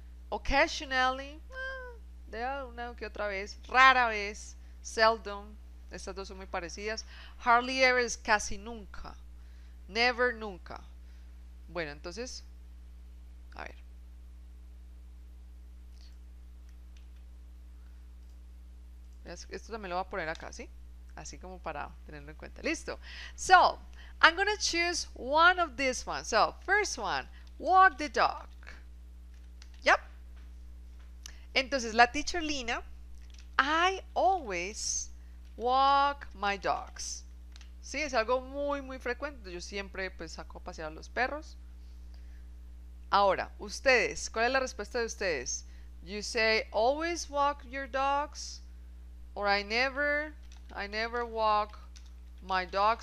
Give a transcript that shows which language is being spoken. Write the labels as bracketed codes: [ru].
[es] Occasionally, de una que otra vez, rara vez, seldom, estas dos son muy parecidas. [en] Hardly ever [es] es casi nunca, never nunca. Bueno, entonces, a ver. Esto también lo voy a poner acá, ¿sí? Así como para tenerlo en cuenta. Listo. [en] So, I'm gonna choose one of these ones. So, first one, walk the dog. [es] Entonces, la teacher [en] Lina, I always walk my dogs. [es] Sí, es algo muy, muy frecuente. Yo siempre, pues, saco a pasear a los perros. Ahora, ustedes, ¿cuál es la respuesta de ustedes? [en] You say, always walk your dogs, or I never walk my dog.